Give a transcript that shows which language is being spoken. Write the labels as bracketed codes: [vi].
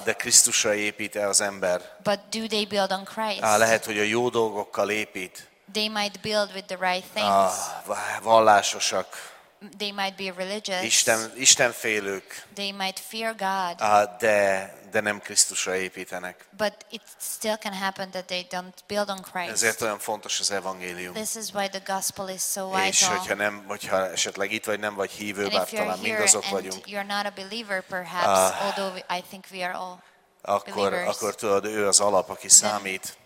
[hu] De Krisztusra épít az ember. [en] But do they build on Christ? [hu] Lehet, hogy a jó dolgokkal épít. [en] they might build with the right things. [hu] Vallásosak. [en] They might be religious. [hu] Istenfélők. [en] They might fear God. [hu] De nem Krisztusra építenek. [en] But it still can happen that they don't build on Christ. [hu] Ezért olyan fontos az evangélium. [en] This is why the gospel is so vital. [hu] És hogyha esetleg itt vagy nem vagy hívő, bár talán mindazok vagyunk. [en] And if you're not a believer, perhaps, although I think we are all. [hu] Akkor tudod, ő az alap, aki számít.